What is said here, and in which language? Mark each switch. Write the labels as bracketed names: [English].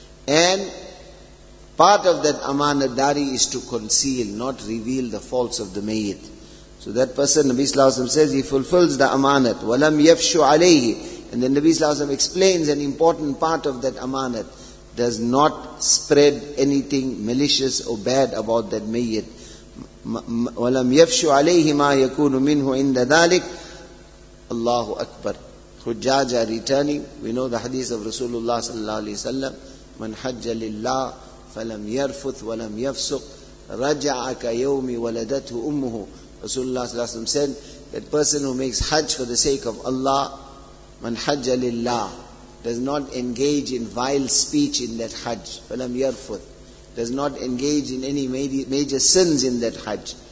[English] And part of that amanat dari is to conceal, not reveal the faults of the mayyit. So that person, Nabi Sallallahu Alaihi Wasallam says, he fulfills the amanat. [Arabic] وَلَمْ يَفْشُ عَلَيْهِ [English] And then Nabi Sallallahu Alaihi Wasallam explains an important part of that amanat. Does not spread anything malicious or bad about that mayyit. [Arabic] وَلَمْ يَفْشُ عَلَيْهِ مَا يَكُونُ مِنْهُ عِنْدَ ذَلِكَ Allahu Akbar. [English] Hujjaj are returning. We know the hadith of Rasulullah Sallallahu Alaihi Wasallam. [Arabic] مَنْ حَجَّ لِلَّهِ فَلَمْ يَرْفُثْ وَلَمْ يَفْسُقْ رَجَعَكَ يَوْمِ وَلَدَتْهُ أُمُّهُ [English] Rasulullah Sallallahu Alaihi Wasallam said, that person who makes hajj for the sake of Allah, [Arabic] مَنْ حَجَّ لِلَّهِ [English] does not engage in vile speech in that hajj, [Arabic] فَلَمْ يَرْفُثْ [English] does not engage in any major sins in that hajj.